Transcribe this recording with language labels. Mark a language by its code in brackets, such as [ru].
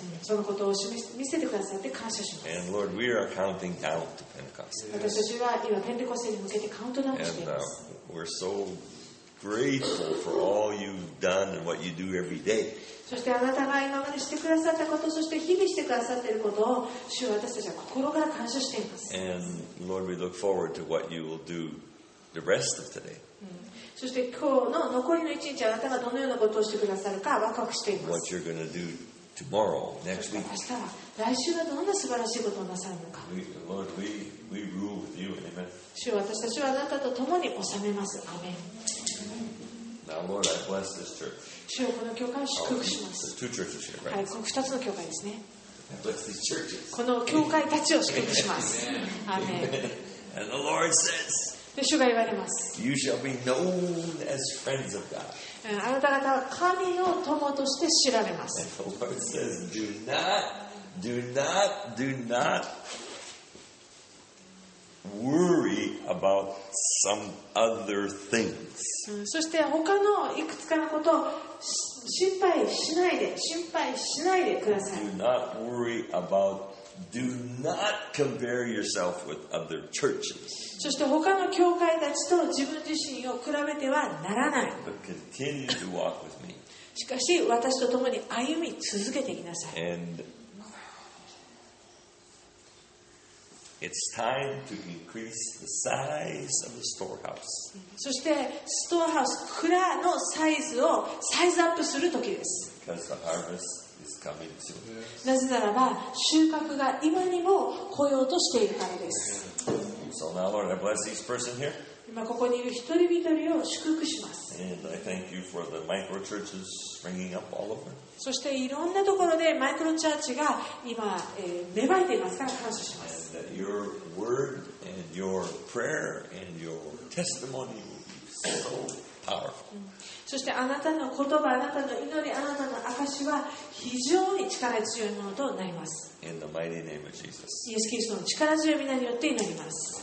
[ja] そのことを見せてくださって感謝します。 [en] And Lord, we are counting down to Pentecost. [ja] 私たちは今ペンテコステに向けてカウントダウンしています。 [en] And we're so grateful for all you've done and what you do every day. [ja] そしてあなたが今までしてくださったこと、そして日々してくださっていることを主は私たちは心から感謝しています。 [en] And Lord, we look forward to what you will do the rest of today. [ja] そして今日の残りの一日、あなたがどのようなことをしてくださるかワクワクしています。 [en] What you're going to do tomorrow, next week. [ja] 明日は来週はどんな素晴らしいことをなさるのか。 [en] Lord, we rule with you. Amen. [ja] 主は私たちはあなたと共に治めます。アーメン。 [en] Now, Lord, I bless this church. [ja] 主よ、この教会を祝福します。 [en] Oh, two churches here, right? [ja] はい、この2つの教会ですね。 [en] I bless these churches. [ja] この教会たちを祝福します。アーメン。 [en] And the Lord says, [ja] 主が言われます。 [en] You shall be known as friends of God. [ja] あなた方は神を友として知られます。 [en] And the Lord says, do not, do not, do not worry about some other things. [ja] そして他のいくつかのことを心配しないで、心配しないでください。 [en] Do not worry about, do not compare yourself with other churches. [ja] そして他の教会たちと自分自身を比べてはならない。 [en] But continue to walk with me. [ja] しかし私と共に歩み続けていきなさい。 [en] And it's time to increase the size of the storehouse. [ja] そして、ストアハウス、蔵のサイズをサイズアップする時です。 [en] Because the harvest is coming soon. [ja] なぜならば、収穫が今にも来ようとしているからです。 [en] So now, Lord, I bless each person here. [ja] 今ここにいる一人一人を祝福します。 [en] And I thank you for the micro churches springing up all over. [ja] そして、いろんなところでマイクロチャーチが今、芽生えていますから感謝します。 [en] That your word and your prayer and your testimony will be so powerful. [ja] そしてあなたの言葉、あなたの祈り、あなたの証は非常に力強いものとなります。 [en] In the mighty name of Jesus. [ja] イエス・キリストの力強い名によって祈ります。